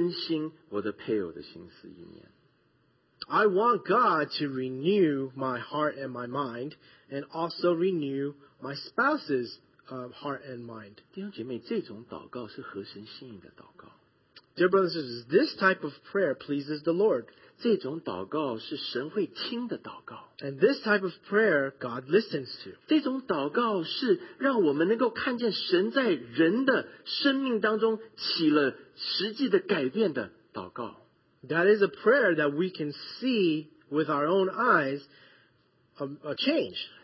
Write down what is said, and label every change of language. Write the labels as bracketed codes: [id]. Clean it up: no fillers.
[zh] 我要主来拯救更新我的心思意念，我要求主来改变更新我的配偶的心思意念。 [en] I want God to renew my heart and my mind, and also renew my spouse's heart and mind. [zh] 弟兄姐妹，这种祷告是合神心意的祷告。 [en] Dear brothers and sisters, this type of prayer pleases the Lord. [zh] 这种祷告是神会听的祷告。 [en] And this type of prayer God listens to. [zh] 这种祷告是让我们能够看见神在人的生命当中起了实际的改变的祷告。 [en] That is a prayer that we can see with our own eyes a change.